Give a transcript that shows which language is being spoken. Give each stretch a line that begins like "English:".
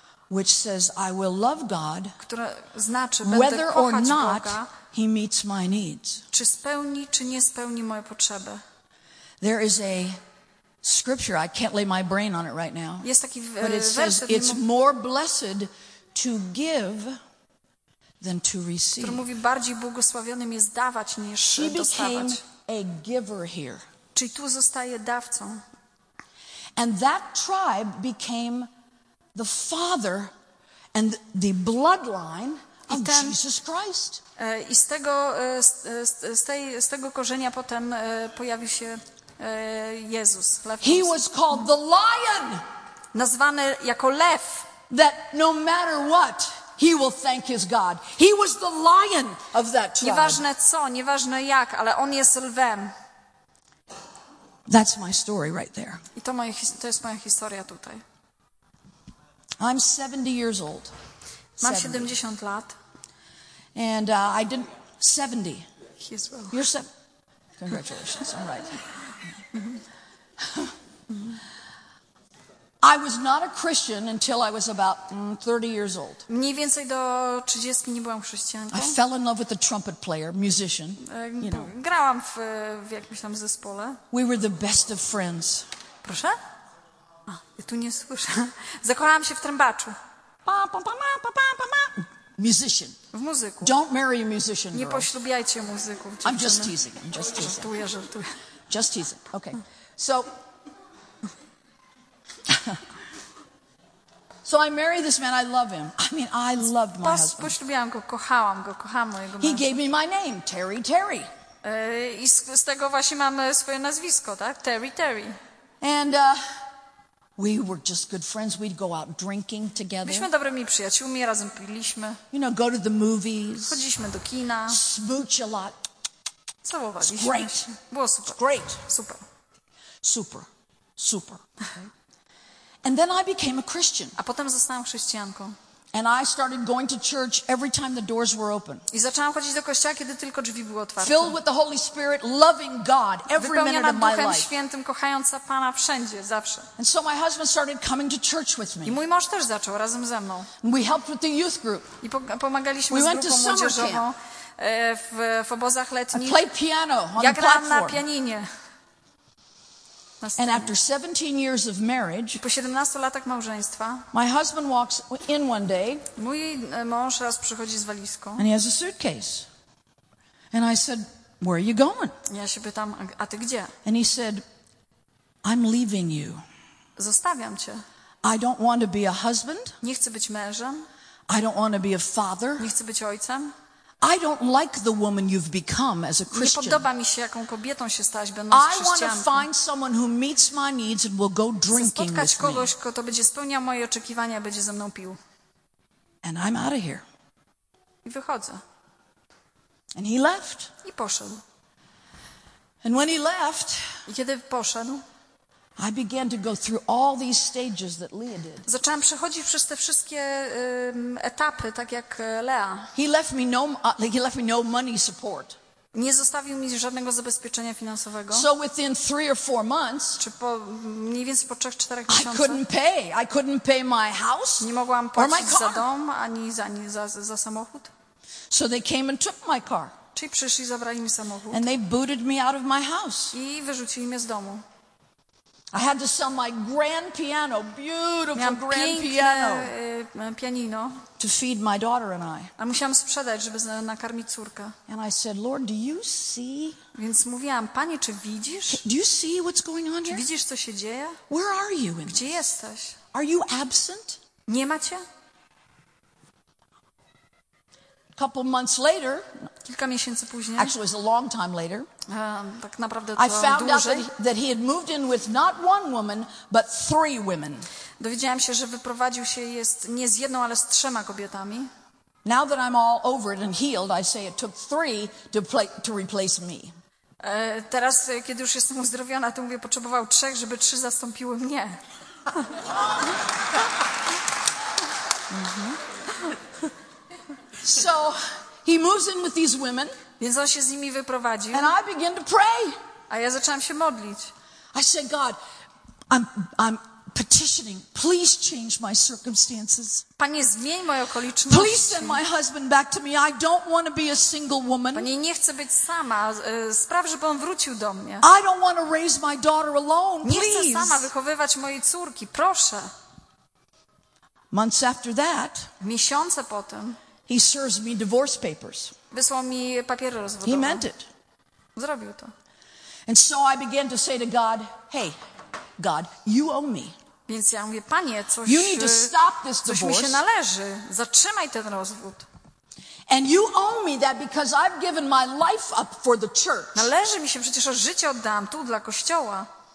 English: which says, I will love God,
Polish: która znaczy, będę
English: whether
Polish: kochać
English: or not
Polish: Boga,
English: he meets my needs.
Polish: Czy spełni, czy nie spełni moje potrzeby.
English: There is a scripture, I can't lay my brain on it right now.
Polish: Jest taki
English: but it says, it's more blessed to give than to receive.
Polish: Który mówi, bardziej błogosławionym jest dawać niż
English: she
Polish: dostawać.
English: Became a giver here.
Polish: Czyli tu zostaje dawcą.
English: And that tribe became the father and the bloodline of Jesus Christ.
Polish: I z tego, z tego korzenia potem pojawił się Jezus.
English: He was called the lion. Nazwany jako lew. That no matter what, he will thank his God. He was the lion of that tribe.
Polish: Nieważne co, nieważne jak, ale on jest lwem.
English: That's my story right there.
Polish: I to moja, to jest moja historia tutaj.
English: I'm 70 years old.
Polish: Mam 70 lat.
English: And I didn't 70. He is well. You're 70. Congratulations. All right. I was not a Christian until I was about 30 years old.
Polish: Mniej więcej do 30 nie byłam chrześcijanką.
English: I fell in love with a trumpet player, musician. You know.
Polish: Grałam w jakimś tam zespole.
English: We were the best of friends.
Polish: Proszę? A, ja tu nie słyszę. Zakochałam się w trębaczu. Pa, pa, pa, ma, pa, pa, pa, ma. Musician. W muzyku.
English: Don't marry a musician,
Polish: nie poślubiajcie muzyków.
English: I'm just teasing. I'm just teasing.
Polish: Żartuję, żartuję.
English: Just teasing. Okay. So... So I marry this man, I love him. I mean, I loved my husband.
Polish: Poślubiłam go, kochałam go, kocham mojego męża.
English: He gave me my name, Terry Terry.
Polish: I z tego właśnie mam swoje nazwisko, tak?
English: Terry Terry. And we were just good friends. We'd go out drinking together.
Polish: Byliśmy dobrymi przyjaciółmi, razem piliśmy.
English: You know, go to the movies.
Polish: Chodziliśmy do kina.
English: Smooch a lot.
Polish: Całowaliśmy.
English: It's great.
Polish: Było super.
English: It's great.
Polish: Super. Super. Super. Okay.
English: And then I became a Christian.
Polish: A potem zostałam chrześcijanką.
English: And I started going to church every time the doors were open.
Polish: I zaczęłam chodzić do kościoła, kiedy tylko drzwi były otwarte.
English: Filled with the Holy Spirit, loving God every minute of my life.
Polish: Wypełniona Duchem Świętym, kochająca Pana wszędzie, zawsze.
English: And so my husband started coming to church with me.
Polish: I mój mąż też zaczął razem ze mną.
English: We helped with the youth group.
Polish: I pomagaliśmy z grupą młodzieżową w obozach letnich.
English: I played piano on
Polish: ja grałam na pianinie.
English: And after 17 years of marriage,
Polish: po 17 latach małżeństwa,
English: my husband walks in one day,
Polish: mój mąż raz przychodzi z walizką,
English: and he has a suitcase. And I said, where are you going?
Polish: Ja się pytam, a ty gdzie?
English: And he said, I'm leaving you.
Polish: Zostawiam cię.
English: I don't want to be a husband.
Polish: Nie chcę być mężem.
English: I don't want to be a father.
Polish: Nie chcę być ojcem.
English: I don't like the woman you've become as a Christian.
Polish: Nie podoba mi się, jaką kobietą się stałaś, będąc chrześcijanką.
English: I want to find someone who meets my needs and will go drinking with me.
Polish: Spotkać kogoś, kto będzie spełniał moje oczekiwania, będzie ze mną pił.
English: And I'm out of here.
Polish: I wychodzę.
English: And he left.
Polish: I poszedł.
English: And when he left,
Polish: i kiedy poszedł,
English: I began to go through all these stages that Leah did.
Polish: Zaczęłam przechodzić przez te wszystkie etapy, tak jak Lea.
English: He left me no money support.
Polish: Nie zostawił mi żadnego zabezpieczenia finansowego.
English: So within 3 or 4 months,
Polish: czy po mniej więcej po 3-4 miesiącach,
English: I couldn't pay my house.
Polish: Nie mogłam płacić za dom ani za samochód.
English: So they came and took my car.
Polish: Czyli przyszli, zabrali mi samochód.
English: And they booted me out of my house.
Polish: I wyrzucili mnie z domu.
English: I had to sell my grand piano, beautiful grand piano, to feed my daughter and I.
Polish: A musiałam sprzedać, żeby nakarmić córkę.
English: And I said, Lord, do you see?
Polish: Więc mówiłam, Panie, czy widzisz?
English: Do you see what's going on here?
Polish: Widzisz, co się dzieje?
English: Where are you in?
Polish: Gdzie jesteś?
English: Are you absent?
Polish: Nie macie?
English: Couple months later,
Polish: kilka miesięcy później,
English: actually it was a long time later,
Polish: tak naprawdę to
English: I found out that he had moved in with not one woman, but three women.
Polish: Dowiedziałam się, że wyprowadził się jest nie z jedną, ale z trzema kobietami.
English: Now that I'm all over it and healed, I say it took three to replace me.
Polish: Teraz, kiedy już jestem uzdrowiona, to mówię, potrzebował trzech, żeby trzy zastąpiły mnie.
English: So he moves in with these women.
Polish: Więc on się z nimi wyprowadził.
English: And I begin to pray.
Polish: A ja zaczęłam się modlić.
English: I said, God, I'm petitioning. Please change my circumstances.
Polish: Panie, zmień moje okoliczności.
English: Please send my husband back to me. I don't want to be a single woman.
Polish: Panie, nie chcę być sama. Spraw, żeby on wrócił do mnie. I don't want to raise my daughter alone. Nie chcę sama wychowywać mojej córki. Proszę.
English: Months after that.
Polish: Miesiące potem.
English: He serves me divorce papers.
Polish: Wysłał mi papiery rozwodowe.
English: He meant it.
Polish: Zrobił to.
English: And so I began to say to God, "Hey, God, you owe me."
Polish: Więc ja mówię, Panie, coś,
English: you need to stop this
Polish: coś mi się należy. Zatrzymaj ten rozwód.
English: And you owe me that because I've given my life up for the church.
Polish: Należy mi się przecież, że życie oddam tu dla kościoła.